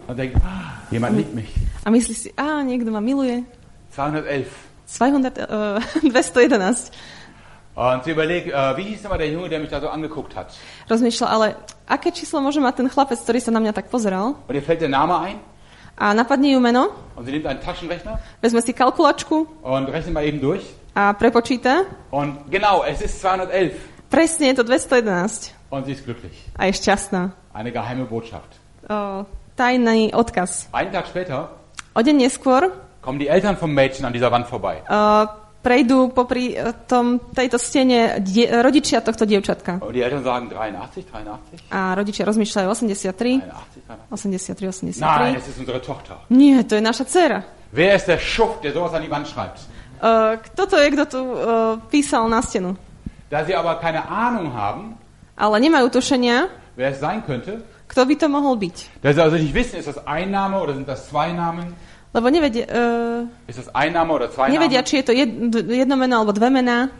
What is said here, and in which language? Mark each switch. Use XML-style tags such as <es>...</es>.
<de>Und denkt, jemand liebt mich.</de> <sk>A myslí si, niekto ma miluje. 211.</sk> <de>Und sie überlegt, wie hieß nochmal der Junge, der mich da so angeguckt hat.</de> <sk>Rozmýšľa, ale aké číslo môže mať ten chlapec, ktorý sa na mňa tak pozeral?</sk> <de>Und ihr fällt der Name ein.</de> <sk>A napadne ju meno.</sk> <de>Und sie nimmt einen Taschenrechner.</de> <sk>Vezme si kalkulačku.</sk> <de>Und rechnet mal eben durch.</de> <sk>A prepočíta.</sk> <de>Und genau, es ist 211.</de> <sk>Presne, je to 211.</sk> <de>Und sie ist glücklich.</de> <sk>A je šťastná.</sk> <de>Eine geheime Botschaft.</de> <sk>Tajný odkaz.</sk> <de>Einen Tag später.</de> <sk>O deň neskôr.</sk> <de>Kommen die Eltern vom Mädchen an dieser Wand vorbei.</de> <sk>Prejdú popri tom tejto stene rodičia tohto dievčatka.</sk> <de>Die Eltern sagen 83.</de> <sk>A rodičia rozmýšľajú 83. 83.</sk> <de>Nein, es ist unsere Tochter.</de> <sk>Nie, to je naša dcera.</sk> <de>Wer ist der Schuft, der sowas an die Wand schreibt?</de> <sk>Kto to je, kto tu písal na stenu?</sk> <de>Da sie aber keine Ahnung haben.</de> <sk>Ale nemajú tušenia.</sk> <de>Wer es sein könnte?</de> <sk>Kto by to mohol byť?</sk> <de>Da sie also nicht wissen, ist das ein Name oder sind das zwei Namen?</de> <sk>Lebo nevedia,</sk> <de>ist das ein Name oder zwei</de> <sk>nevedia,</sk> <de>Namen?</de> <sk>Či je to jedno meno alebo dve mená.</sk>